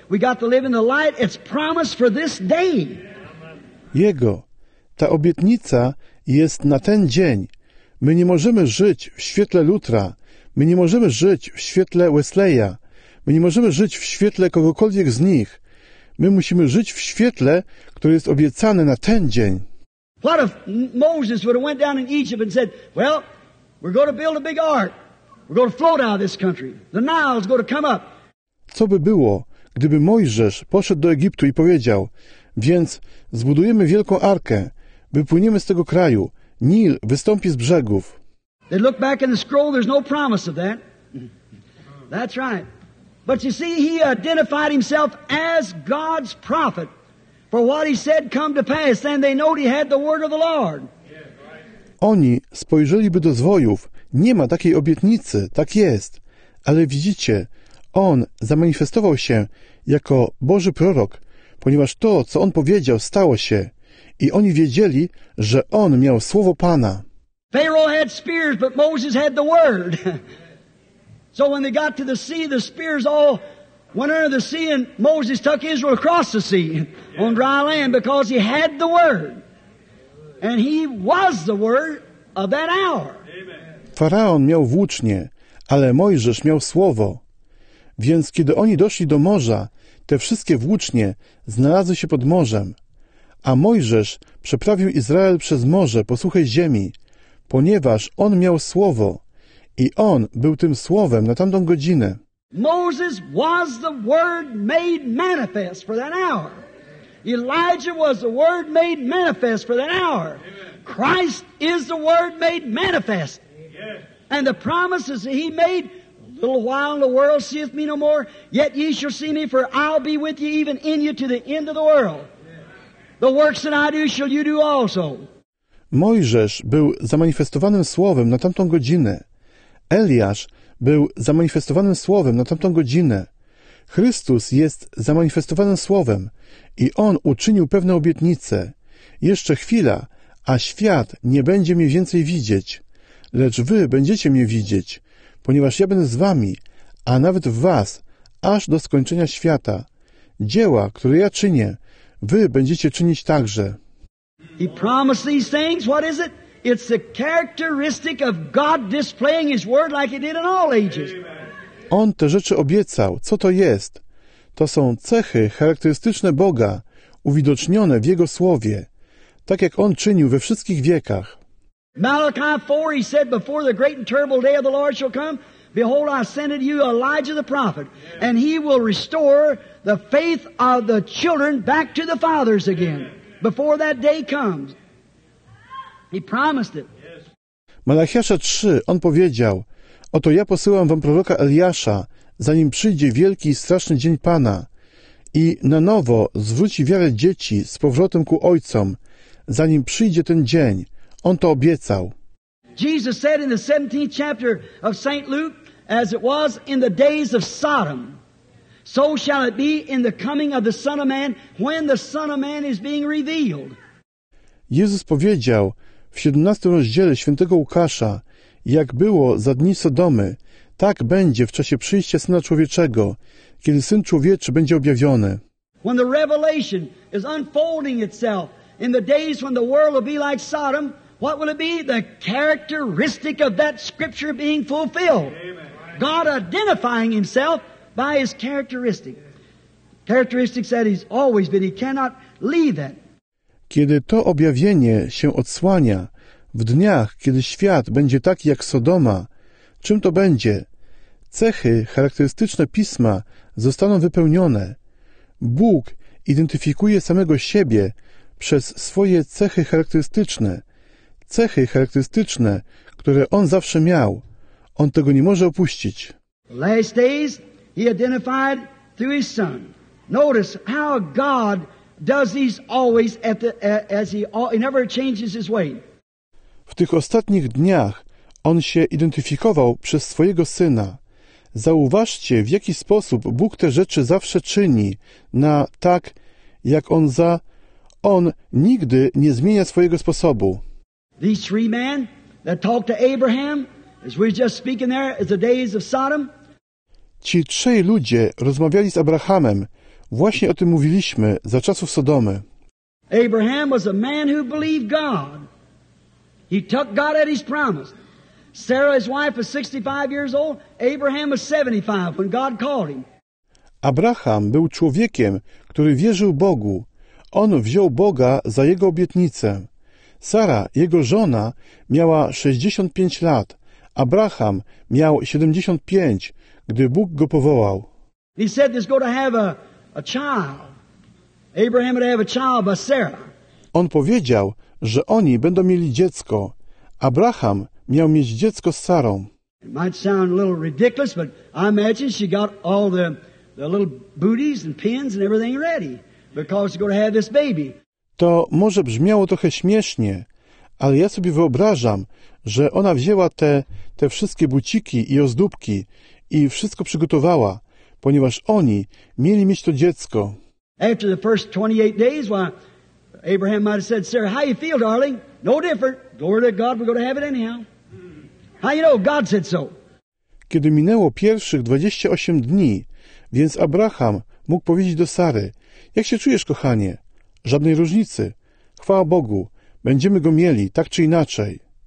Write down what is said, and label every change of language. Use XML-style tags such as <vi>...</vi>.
<en>We got to live in the light it's promised for this day.</en> <pl>Jego, ta obietnica jest na ten dzień. My nie możemy żyć w świetle Lutra. My nie możemy żyć w świetle Wesleya. My nie możemy żyć w świetle kogokolwiek z nich. My musimy żyć w świetle, które jest obiecane na ten dzień.</pl> <en>What if Moses would have went down in Egypt and said, well, we're going to build a big ark. We're going to float out of this country. The Nile's going to come up.</en> <pl>Co by było, gdyby Mojżesz poszedł do Egiptu i powiedział, więc zbudujemy wielką arkę, wypłyniemy z tego kraju, Nil wystąpi z brzegów.</pl> <en>They look back in the scroll, there's no promise of that. That's right. But you see, he identified himself as God's prophet, for what he said come to pass, and they knowed he had the word of the Lord.</en> <pl>Oni spojrzeliby do zwojów. Nie ma takiej obietnicy, tak jest. Ale widzicie, on zamanifestował się jako Boży prorok, ponieważ to, co on powiedział, stało się. I oni wiedzieli, że on miał słowo Pana.</pl> <en>Pharaoh had spears, but Moses had the word. So when they got to the sea, the spears all went under the sea, and Moses took Israel across the sea on dry land because he had the word. And he was the word of that hour.</en> <pl>Faraon miał włócznie, ale Mojżesz miał słowo. Więc kiedy oni doszli do morza, te wszystkie włócznie znalazły się pod morzem. A Mojżesz przeprawił Izrael przez morze po suchej ziemi, ponieważ on miał słowo i on był tym słowem na tamtą godzinę.</pl> <en>Moses was the word made manifest for that hour. Elijah was the word made manifest for that hour. Christ is the word made manifest. And the promises that he made, a little while the world seeth me no more, yet ye shall see me, for I'll be with you even in you to the end of the world. The works that I do shall you do also.</en> <pl>Mojżesz był zamanifestowanym słowem na tamtą godzinę. Eliasz był zamanifestowanym słowem na tamtą godzinę. Chrystus jest zamanifestowanym słowem i on uczynił pewne obietnice. Jeszcze chwila, a świat nie będzie mnie więcej widzieć. Lecz wy będziecie mnie widzieć, ponieważ ja będę z wami, a nawet w was, aż do skończenia świata. Dzieła, które ja czynię, wy będziecie czynić także.</pl> <en>He promised these things. What is it? It's the characteristic of God displaying his word like he did in all ages.</en> <pl>On te rzeczy obiecał. Co to jest? To są cechy charakterystyczne Boga, uwidocznione w jego słowie, tak jak on czynił we wszystkich wiekach.</pl> <en>Malachi 4, he said, before the great and terrible day of the Lord shall come, behold, I send unto you Elijah the prophet, and he will restore the faith of the children back to the fathers again, before that day comes. He promised it.</en> <pl>Malachiasza 3, on powiedział, oto ja posyłam wam proroka Eliasza, zanim przyjdzie wielki i straszny dzień Pana, i na nowo zwróci wiarę dzieci z powrotem ku ojcom, zanim przyjdzie ten dzień. On to obiecał.</pl> <en>Jesus said in the 17th chapter of St. Luke, as it was in the days of Sodom, so shall it be in the coming of the Son of Man, when the Son of Man is being revealed.</en> <pl>Jezus powiedział w 17 rozdziale świętego Łukasza, jak było za dni Sodomy, tak będzie w czasie przyjścia Syna Człowieczego, kiedy Syn Człowieczy będzie objawiony.</pl> <en>When the revelation is unfolding itself in the days when the world will be like Sodom, what will it be? The characteristic of that scripture being fulfilled. God identifying himself by his characteristic. Characteristics that he's always been. He cannot leave that.</en> <pl>Kiedy to objawienie się odsłania w dniach, kiedy świat będzie taki jak Sodoma, czym to będzie? Cechy charakterystyczne Pisma zostaną wypełnione. Bóg identyfikuje samego siebie przez swoje cechy charakterystyczne. Cechy charakterystyczne, które on zawsze miał. On tego nie może opuścić.</pl> <en>Last days he identified through his son. Notice how God does these always at the, as he never changes his way.</en> <pl>W tych ostatnich dniach on się identyfikował przez swojego syna. Zauważcie, w jaki sposób Bóg te rzeczy zawsze czyni na tak, jak on za... On nigdy nie zmienia swojego sposobu.</pl> <en>These three men that talked to Abraham, as we're just speaking there, is the days of Sodom.</en> <pl>Ci trzej ludzie rozmawiali z Abrahamem. Właśnie o tym mówiliśmy za czasów Sodomy.</pl> <en>Abraham was a man who believed God. He took God at his promise. Sarah, his wife, was 65 years old. Abraham was 75 when God called him.</en> <pl>Abraham był człowiekiem, który wierzył Bogu. On wziął Boga za jego obietnicę. Sara, jego żona, miała 65 lat. Abraham miał 75, gdy Bóg go powołał.</pl> <en>He said he's going to have a child. Abraham would have a child by Sarah.</en> <pl>On powiedział, że oni będą mieli dziecko. Abraham miał mieć dziecko z Sarą.</pl> <en>It might sound a little ridiculous, but I imagine she got all the little booties and pins and everything ready because she's going to have this baby.</en> <pl>To może brzmiało trochę śmiesznie, ale ja sobie wyobrażam, że ona wzięła te wszystkie buciki i ozdóbki i wszystko przygotowała, ponieważ oni mieli mieć to dziecko.</pl> <en>After the first 28 days, why, Abraham might have said, Sarah, how you feel, darling? No different. Glory to God, we're going to have it anyhow. How you know? God said so.</en> <pl>Kiedy minęło pierwszych 28 dni, więc Abraham mógł powiedzieć do Sary, jak się czujesz, kochanie? Żadnej różnicy. Chwała Bogu, będziemy go mieli, tak czy inaczej.</pl>